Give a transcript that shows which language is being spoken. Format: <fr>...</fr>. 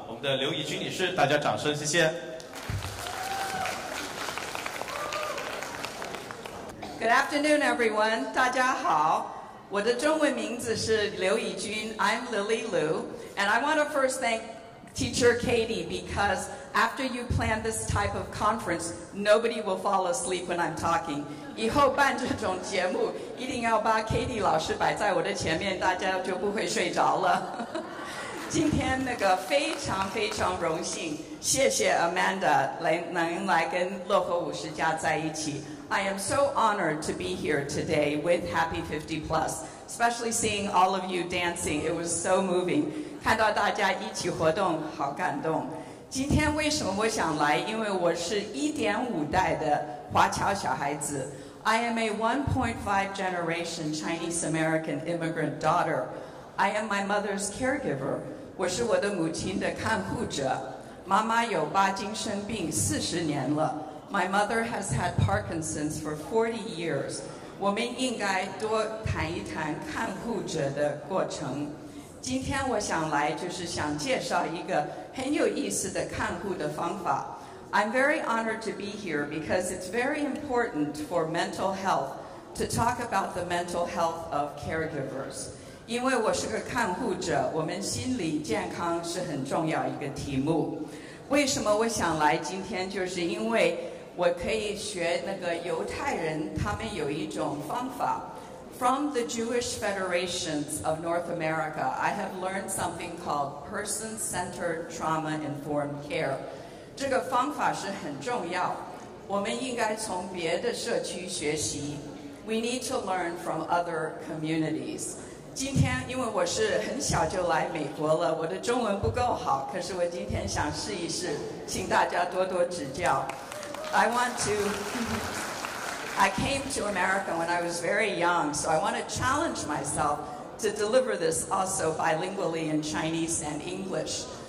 <zh>我们的刘怡君女士，大家掌声谢谢。</zh> <en>Good afternoon, everyone.</en> <zh>大家好，我的中文名字是刘怡君。</zh> <en>I'm Lily Liu, and I want to first thank Teacher Katie, because after you plan this type of conference, nobody will fall asleep when I'm talking.</en> <zh>以后办这种节目，一定要把 Katie 老师摆在我的前面，大家就不会睡着了。今天那个非常非常荣幸，谢谢 Amanda 能来跟乐活五十家在一起。</zh> <en>I am so honored to be here today with Happy 50 Plus, especially seeing all of you dancing. It was so moving.</en> <zh>看到大家一起活动，好感动。今天为什么我想来？因为我是 1.5 代的华侨小孩子。</zh> <en>I am a 1.5 generation Chinese American immigrant daughter. I am my mother's caregiver.</en> <zh>我是我的母亲的看护者。妈妈有巴金生病40年了。</zh> <en>My mother has had Parkinson's for 40 years.</en> <zh>我们应该多谈一谈看护者的过程。今天我想来就是想介绍一个很有意思的看护的方法。</zh> <en>I'm very honored to be here because it's very important for mental health to talk about the mental health of caregivers.</en> <zh>因为我是个看护者，我们心理健康是很重要一个题目。为什么我想来今天，就是因为我可以学那个犹太人，他们有一种方法。</zh> <en>From the Jewish Federations of North America, I have learned something called person-centered trauma-informed care.</en> <zh>这个方法是很重要。我们应该从别的社区学习。</zh> <en>We need to learn from other communities.</en> <zh>今天因为我是很小就来美国了，我的中文不够好，可是我今天想试一试，请大家多多指教。</zh> <en>I came to America when I was very young, so I want to challenge myself to deliver this also bilingually in Chinese and English.</en>